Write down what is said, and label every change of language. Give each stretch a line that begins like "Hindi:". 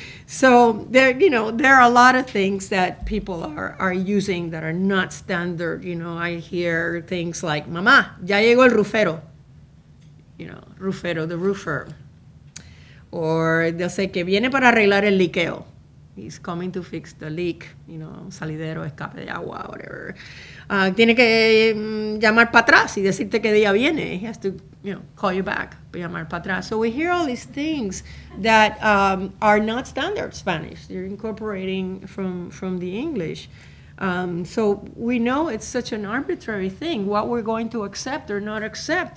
English: So, there are a lot of things that people are using that are not standard. You know, I hear things like,
Spanish: mama, ya llegó el rufero.
English: You know, rufero, the roofer. Or they'll say,
Spanish: que viene para arreglar el liqueo.
English: He's coming to fix the leak, you know,
Spanish: salidero, escape de agua,
English: whatever.
Spanish: Tiene que llamar para atrás y decirte que día viene.
English: He has to, you know, call you back,
Spanish: llamar para atrás.
English: So we hear all these things that are not standard Spanish. You're incorporating from the English. So we know it's such an arbitrary thing, what we're going to accept or not accept.